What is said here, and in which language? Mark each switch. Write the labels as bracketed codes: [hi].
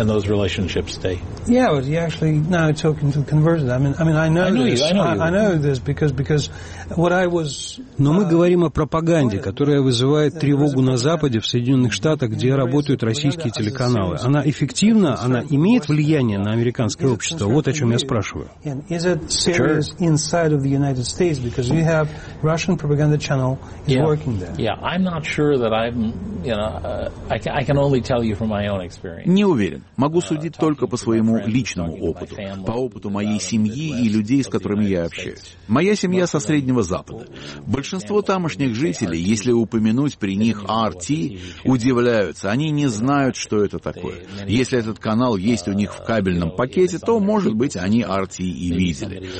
[en] Yeah, but you actually now talking to the converted. I know this because what I was. [ru] Но мы говорим о пропаганде, которая вызывает тревогу на Западе, в Соединенных Штатах, где работают российские телеканалы. Она эффективна, она имеет влияние на американское общество. Вот о чем я спрашиваю. [en] Is it serious inside of the United States because you have Russian propaganda channel is working there? Yeah, I'm not sure that I'm, you know, I can only tell you from my own experience. [ru] Не уверен. Могу судить только по своему личному опыту, по опыту моей семьи и людей, с которыми я общаюсь. Моя семья со Среднего Запада. Большинство тамошних жителей, если упомянуть при них RT, удивляются. Они не знают, что это такое. Если этот канал есть у них в кабельном пакете, то, может быть, они RT и видели.